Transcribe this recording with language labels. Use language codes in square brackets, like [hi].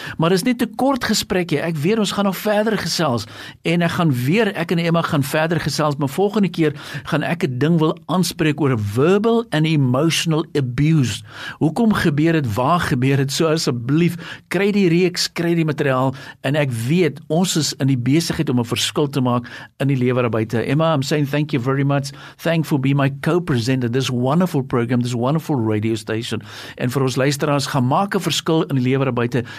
[af] Maar dis net 'n kort gesprekkie. Ek weet ons gaan nog verder gesels en ek en Emma gaan verder gesels, maar volgende keer gaan ek 'n ding wil aanspreek oor [en] verbal and emotional abuse. [af] Hoekom gebeur dit? Waar gebeur dit? So asseblief, kry die reeks, kry die materiaal, en ek weet ons is in die besigheid om 'n verskil te maak in die lewe daarbuiten. [en] Emma, I'm saying thank you very much. Thankful be my co-presenter. This wonderful program, this wonderful radio station. [af] En vir ons luisteraars, gaan maak 'n verskil in die lewe daarbuiten.